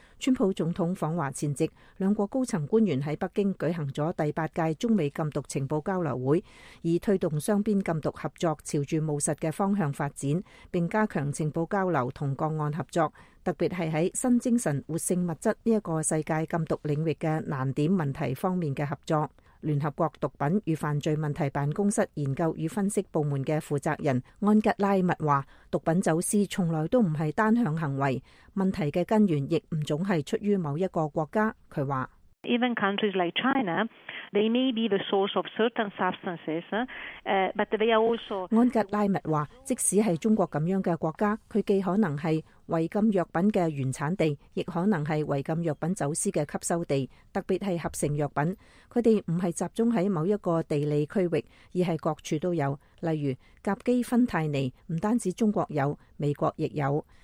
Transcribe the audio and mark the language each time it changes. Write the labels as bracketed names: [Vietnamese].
[Chinese] 川普总统访华前夕，两国高层官员在北京举行了第八届中美禁毒情报交流会，以推动双边禁毒合作朝着务实的方向发展，并加强情报交流和个案合作，特别是在新精神活性物质这个世界禁毒领域的难点问题方面的合作。联合国毒品与犯罪问题办公室研究与分析部门的负责人安吉拉密说，毒品走私从来都不是单向行为，问题的根源亦不总是出于某一个国家。他说 [English] Even countries like China, they may be the source of certain substances, but they are also. [Chinese] 安吉拉密说，即使是中国这样的国家，它既可能是违禁药品的原产地，亦可能是违禁药品走私的吸收地，特别是合成药品。他们不是集中在某一个地理区域，而是各处都有，例如甲基芬太尼不单止中国有，美国亦有。